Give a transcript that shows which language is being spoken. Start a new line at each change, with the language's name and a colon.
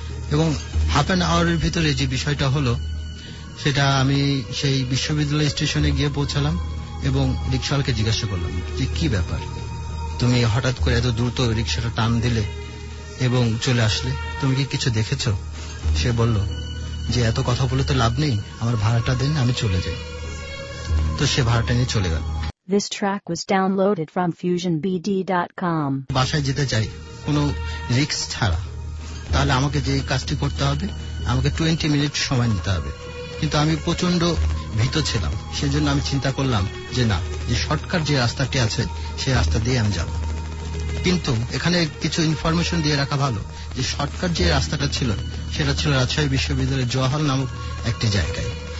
Bangla: এবং half an আওয়ারের ভিতরে যে বিষয়টা হলো সেটা আমি সেই বিশ্ববিদ্যালয় স্টেশনে গিয়ে পৌঁছালাম এবং রিক্সাওয়ালাকে জিজ্ঞাসা করলাম যে কি ব্যাপার, তুমি হঠাৎ করে এত দ্রুত রিক্সাটা টান দিলে এবং চলে আসলে, তুমি কি কিছু দেখেছো? সে বলল যে এত কথা বলে তো লাভ নেই, আমার ভাড়াটা দেন আমি চলে যাই। তো সে ভাড়াটা নিয়ে চলে গেল।
English: This track was downloaded from fusionbd.com.
Bangla: বাসায় যেতে চাই কোনো রিক্স ছাড়া, তাহলে আমাকে যে কাজটি করতে হবে আমাকে 20 মিনিট সময় নিতে হবে। কিন্তু আমি প্রচন্ড ভীত ছিলাম, সেজন্য আমি চিন্তা করলাম যে না, যে শর্টকাট যে রাস্তাটি আছে সেই রাস্তা দিয়ে আমি যাব। কিন্তু এখানে কিছু ইনফরমেশন দিয়ে রাখা ভালো যে শর্টকাট যে রাস্তাটা ছিল সেটা ছিল রাজশাহী বিশ্ববিদ্যালয়ের জওহর নামক একটি জায়গায়।